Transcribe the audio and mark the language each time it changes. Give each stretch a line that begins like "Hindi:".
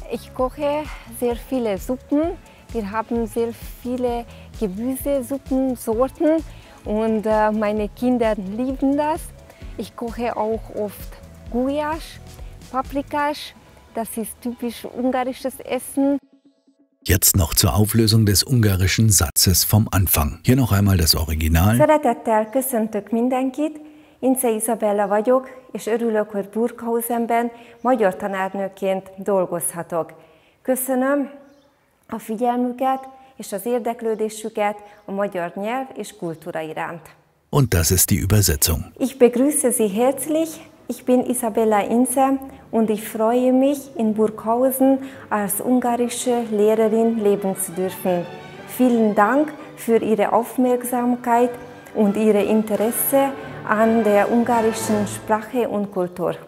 German: Ich koche sehr viele Suppen. Wir haben sehr viele Gemüsesuppensorten und meine Kinder lieben das. Ich koche auch oft Gulyás, Paprikás. Das ist typisch ungarisches Essen. Jetzt noch zur Auflösung des ungarischen Satzes vom Anfang. Hier noch einmal das Original.
Hungarian: Szeretettel köszöntök mindenkit. Ince Isabella vagyok, és örülök, hogy Burghausenben magyar tanárnőként dolgozhatok. Köszönöm a figyelmüket és az érdeklődésüket a magyar nyelv és kultúra iránt.
German: Und das ist die Übersetzung. Ich begrüße Sie herzlich. Ich bin Isabella Ince und ich freue mich, in Burghausen als ungarische Lehrerin leben zu dürfen. Vielen Dank für Ihre Aufmerksamkeit und Ihre Interesse an der ungarischen Sprache und Kultur.